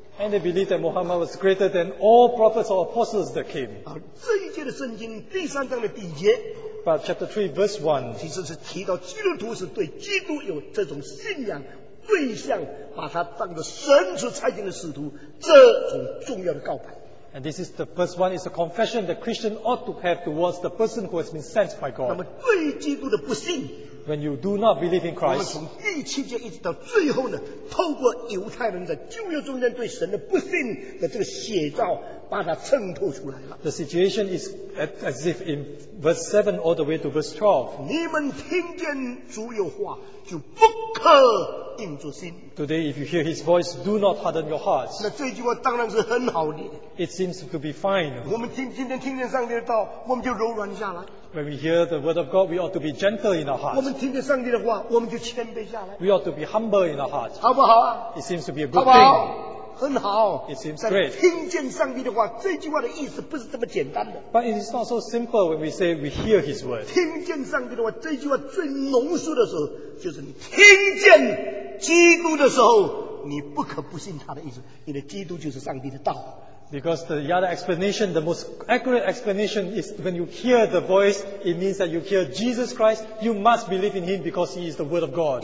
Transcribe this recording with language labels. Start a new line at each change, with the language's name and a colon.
English: And they believe that Muhammad was greater than all prophets or apostles that came.
Chinese: 这一节的圣经第三章的第一节,
English: But chapter 3, verse 1,
Chinese: 其实是提到基督徒是对基督有这种信仰, 对象把他当作神所差遣的使徒，这种重要的告白。
English: And this is the first one, it's a confession that Christian ought to have towards the person who has been sent by God.
Chinese: 那么对基督的不信,
English: when you do not believe in Christ,
Chinese: 我们从第七节一直到最后呢，透过犹太人的旧约中间对神的不信的这个写照，把它衬托出来了。
English: The situation is as if in verse 7 all the way to verse 12.
Chinese: 你们听见主有话，就不可硬着心。
English: Today, if you hear His voice, do not harden your hearts.
Chinese: 那这句话当然是很好的。
English: It seems to be fine.
Chinese: 我们今天听见上帝的道，我们就柔软下来。
English: When we hear the word of God, we ought to be gentle in our hearts.
Chinese: 我们听见上帝的话, 我们就谦卑下来。
English: We ought to be humble in our hearts.
Chinese: 好不好啊?
English: It seems to be a good
Chinese: 好不好?
English: Thing.
Chinese: 很好,
English: it seems great.
Chinese: 听见上帝的话, 这句话的意思不是这么简单的。
English: But it is not so simple when we say we hear His word.
Chinese: 听见上帝的话, 这句话最浓缩的时候, 就是你听见基督的时候, 你不可不信他的意思, 你的基督就是上帝的道。
English: Because the other explanation, the most accurate explanation is when you hear the voice, it means that you hear Jesus Christ, you must believe in Him because He is the Word of God.